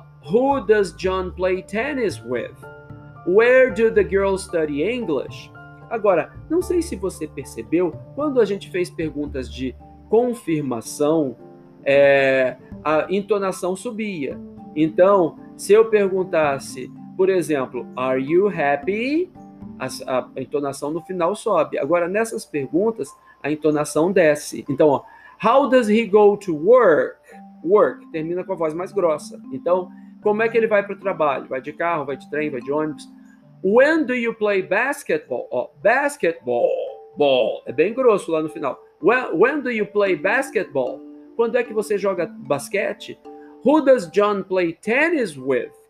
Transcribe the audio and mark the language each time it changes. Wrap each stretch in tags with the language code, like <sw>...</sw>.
<en>Who does John play tennis with? Where do the girls study English?</en> <pt>Agora, não sei se você percebeu, quando a gente fez perguntas de confirmação, a entonação subia. Então, se eu perguntasse, por exemplo,</pt> <en>"Are you happy?",</en> <pt>a entonação no final sobe. Agora, nessas perguntas, a entonação desce. Então, ó,</pt> <en>"How does he go to work?"</en> <pt>Work termina com a voz mais grossa. Então, como é que ele vai para o trabalho? Vai de carro, vai de trem, vai de ônibus?</pt> <en>"When do you play basketball?" Ó, basketball, ball.</en> <pt>É bem grosso lá no final.</pt> <en>"When do you play basketball?"</en> <pt>Quando é que você joga basquete?</pt> <en>"Who does John play tennis with?"</en>